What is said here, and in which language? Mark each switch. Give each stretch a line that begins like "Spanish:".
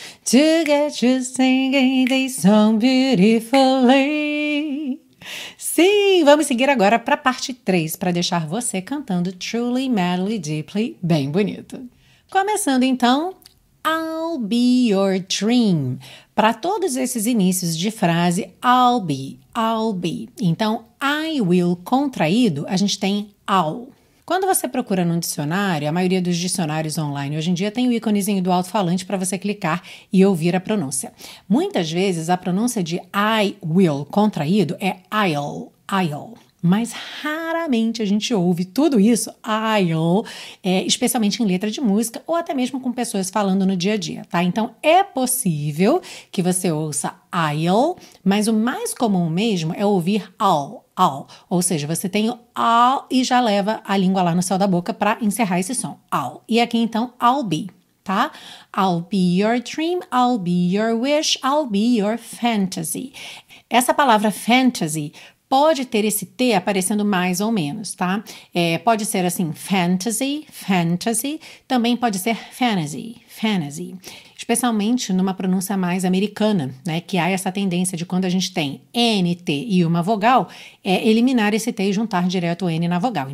English: To get you singing this song beautifully.
Portuguese: Sim, vamos seguir agora para a parte 3, para deixar você cantando truly, madly, deeply, bem bonito. Começando então,
English: I'll be your dream.
Portuguese: Para todos esses inícios de frase, I'll be. Então, I will contraído, a gente tem I'll. Quando você procura num dicionário, a maioria dos dicionários online hoje em dia tem o íconezinho do alto-falante para você clicar e ouvir a pronúncia. Muitas vezes a pronúncia de I will contraído é I'll. Mas raramente a gente ouve tudo isso, I'll, especialmente em letra de música ou até mesmo com pessoas falando no dia a dia, tá? Então é possível que você ouça I'll, mas o mais comum mesmo é ouvir I'll. Ou seja, você tem o I'll e já leva a língua lá no céu da boca para encerrar esse som, I'll. E aqui então, I'll be, tá?
English: I'll be your dream, I'll be your wish, I'll be your fantasy.
Portuguese: Essa palavra fantasy pode ter esse T aparecendo mais ou menos, tá? Pode ser assim, fantasy. Também pode ser fantasy. Especialmente numa pronúncia mais americana, né? Que há essa tendência de quando a gente tem N, T e uma vogal, eliminar esse T e juntar direto o N na vogal.